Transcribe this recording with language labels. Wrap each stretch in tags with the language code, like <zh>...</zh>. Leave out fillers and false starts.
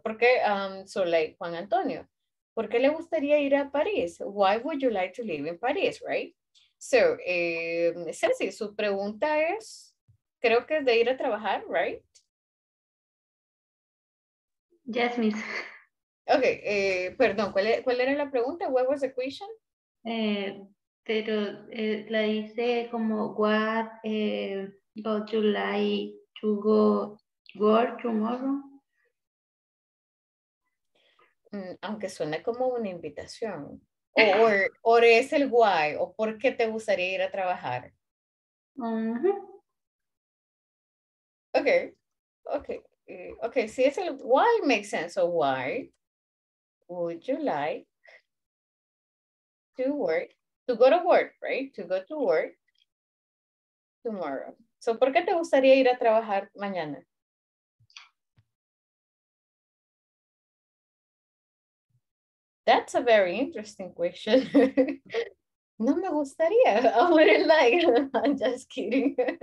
<es>¿Por qué, so like Juan Antonio, ¿por qué le gustaría ir a París?</es> <en>Why would you like to live in Paris, right?</en> <es>So, Ceci, su pregunta es, creo que es de ir a trabajar, right?</es> <en>Yes, miss.</en> <es>Ok, perdón, ¿cuál era la pregunta?</es> <en>What was the question?</en> <es>Pero la dice como, what...</es> <en>But you like to go work tomorrow?</en> <es>Aunque suene como una invitación. Or es el why, o por qué te gustaría ir a trabajar. Mm-hmm. Okay. Si es el why,</es> <en>makes sense. So why would you like to work, to go to work, right? To go to work tomorrow.</en> <es>So, ¿por qué te gustaría ir a trabajar mañana?</es> <en>That's a very interesting question.</en> <es>No me gustaría.</es> <en>I wouldn't like. I'm just kidding.</en>